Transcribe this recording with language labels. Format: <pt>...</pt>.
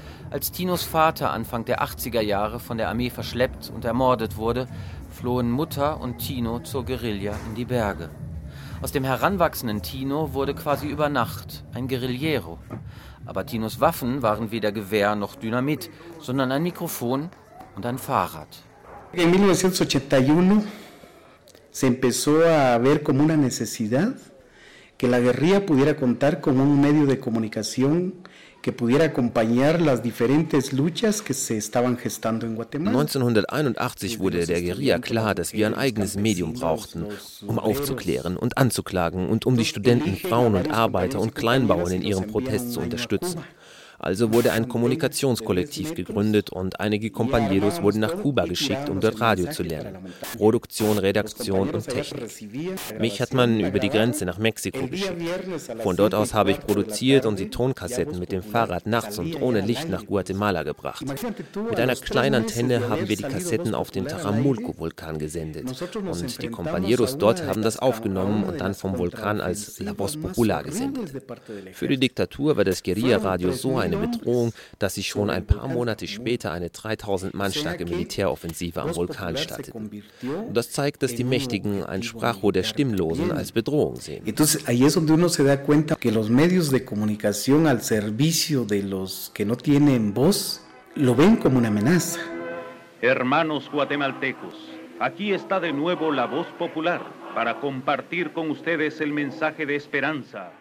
<de>Als Tinos Vater Anfang der 80er Jahre von der Armee verschleppt und ermordet wurde, flohen Mutter und Tino zur Guerilla in die Berge. Aus dem heranwachsenden Tino wurde quasi über Nacht ein Guerillero. Aber Tinos Waffen waren weder Gewehr noch Dynamit, sondern ein Mikrofon und ein Fahrrad.</de> <es>In 1981 se empezó a ver como una necesidad que la guerrilla pudiera contar con un medio de comunicación que pudiera acompañar las diferentes luchas que se estaban gestando en Guatemala.</es> <de>1981 wurde der Guerilla klar, dass wir ein eigenes Medium brauchten, um aufzuklären und anzuklagen und um die Studenten, Frauen und Arbeiter und Kleinbauern in ihrem Protest zu unterstützen. Also wurde ein Kommunikationskollektiv gegründet und einige Compañeros wurden nach Kuba geschickt, um dort Radio zu lernen. Produktion, Redaktion und Technik. Mich hat man über die Grenze nach Mexiko geschickt. Von dort aus habe ich produziert und die Tonkassetten mit dem Fahrrad nachts und ohne Licht nach Guatemala gebracht. Mit einer kleinen Antenne haben wir die Kassetten auf den Taramulco-Vulkan gesendet. Und die Compañeros dort haben das aufgenommen und dann vom Vulkan als La Voz Popular gesendet. Für die Diktatur war das Guerilla-Radio so eine Bedrohung, dass sie schon ein paar Monate später eine 3000 Mann starke Militäroffensive am Vulkan startete. Und das zeigt, dass die Mächtigen ein Sprachrohr der Stimmlosen als Bedrohung sehen.</de> <es>Entonces ahí es donde uno se da cuenta que los medios de comunicación al servicio de los que no tienen voz lo ven como una amenaza. Hermanos guatemaltecos, aquí está de nuevo la voz popular. Para compartir con ustedes el mensaje de esperanza.</es>